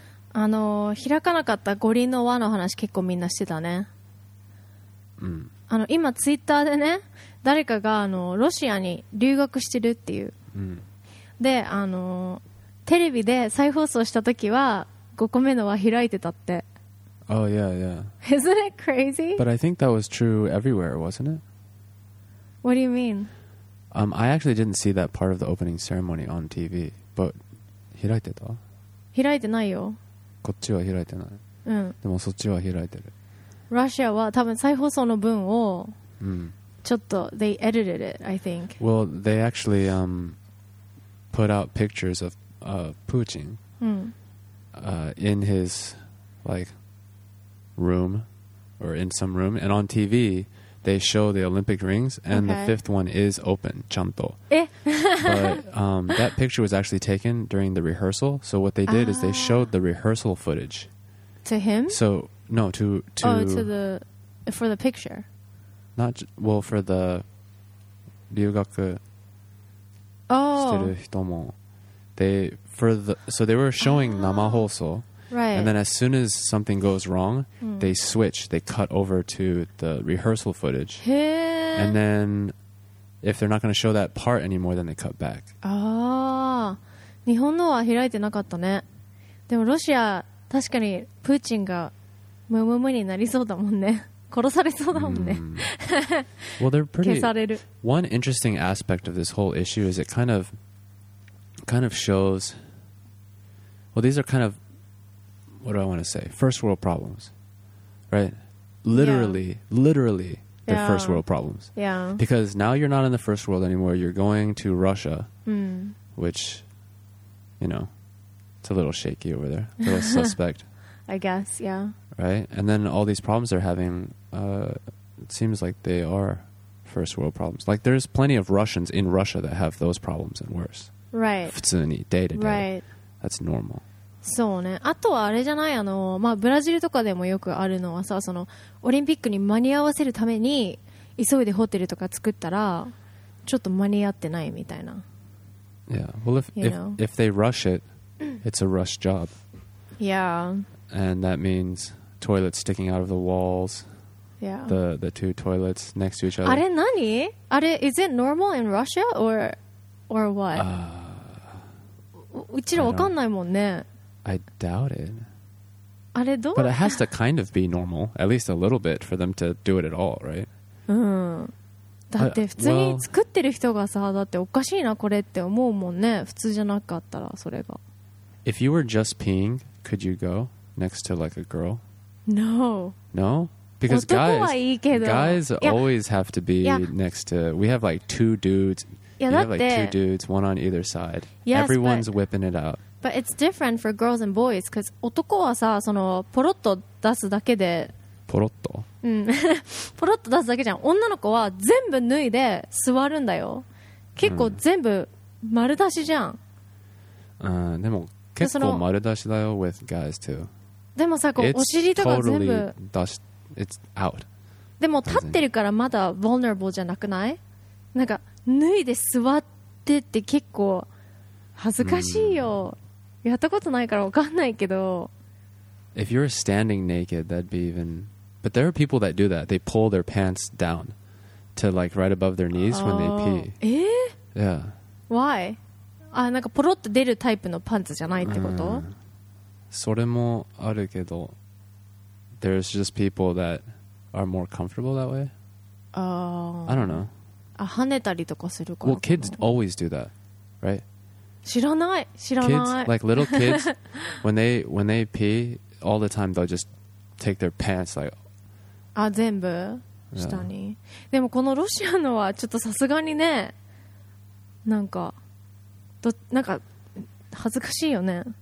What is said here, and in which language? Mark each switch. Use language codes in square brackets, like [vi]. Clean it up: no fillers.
[ja] 開かなかった五輪の輪の話結構みんなしてたね。うん、今ツイッターでね、誰かがロシアに留学してるっていう、うん、でテレビで再放送した時は5個目の輪開いてたって。 [en] Oh yeah yeah. Isn't it crazy? But I think that was true everywhere, wasn't it? What do you mean? I actually didn't see that part of the opening ceremony on TV, but [ja] 開いてた？開いてないよ。こっちは開いてない。うん。でもそっちは開いてる。ロシアは多分再放送の分を、うん、ちょっと [en] they edited it, I think. Well, they actually put out pictures of Putin、うん、 in his like room or in some room, and on TV they show the Olympic rings and、okay. the fifth one is open, [ja] ちゃんと。 [en] え。 But that picture was actually taken during the rehearsal. So what they did、ah. is they showed the rehearsal footage. To him? So, no, to... Oh, to the... For the picture. Not... Well, for the... [ja] 留学してる人も。 [en] Oh. They... For the... So they were showing、ah. 生放送. Right. And then as soon as something goes wrong,、mm. they switch. They cut over to the rehearsal footage. Hey. And then... If they're not going to show that part anymore, then they cut back. [ja] ああ、日本のは開いてなかったね。でもロシア、確かにプーチンがムムムになりそうだもんね。殺されそうだもんね。 [en] Mm. Well, they're pretty... [ja] 消される。 [en] One interesting aspect of this whole issue is it kind of shows... Well, these are kind of... What do I want to say? First world problems. Right? Literally, yeah. literally... The first world problems. Yeah. Because now you're not in the first world anymore. You're going to Russia,、 mm. which, you know, it's a little shaky over there. A little suspect. I guess, yeah. Right? And then all these problems they're having,、it seems like they are first world problems. Like, there's plenty of Russians in Russia that have those problems and worse. Right. [ja] 普通に [en] day to day. Right. That's normal. [ja] そうね。あとはあれじゃない、まあ、ブラジルとかでもよくあるのはさ、そのオリンピックに間に合わせるために急いでホテルとか作ったらちょっと間に合ってないみたいな。 [en] Yeah. Well, if they rush it, it's a rush job. Yeah. And that means toilets sticking out of the walls. Yeah. The two toilets next to each other. [ja] あれ何？あれ [en] is it normal in Russia or what? [ja] うちらわかんないもんね。 [en] I doubt it. [ja] あれどう? [en] But it has to kind of be normal, at least a little bit, for them to do it at all, right? [ja] うん。だって普通に作ってる人がさ、だっておかしいなこれって思うもんね。普通じゃなかったらそれが。 [en] If you were just peeing, could you go next to like a girl? No. No? Because guys always have to be next to... We have like two dudes. Yeah, you have like two dudes, one on either side. Yes, Everyone's but... whipping it out. But it's different for girls and boys because [ja] 男はさ、そのポロッと出すだけで、ポロッと、うん、ポロッと出すだけじゃん。女の子は全部脱いで座るんだよ。結構全部丸出しじゃん。うん、でも結構丸出しだよ [en] with guys too。 [ja] でもさ、こうお尻とか全部出し、 [en] it's out。 [ja] でも立ってるからまだ vulnerable じゃなくない？なんか脱いで座ってって結構。恥ずかしいよ。Mm. やったことないからわかんないけど。 [en] If you're standing naked, that'd be even. But there are people that do that. They pull their pants down to like right above their knees when they pee. Yeah. Why? [ja] あ、なんかポロッと出るタイプのパンツじゃないってこと？それもあるけど、 [en] there's just people that are more comfortable that way. I don't know. [ja] あ、跳ねたりとかするから。 [en] Well, kids always do that, right? [ja] 知らない。 [en] Kids, like little kids, when they pee all the time, they'll just take their pants like. [ja] あ、全部下に。でもこのロシアのはちょっとさすがにね、なんか恥ずかしいよね。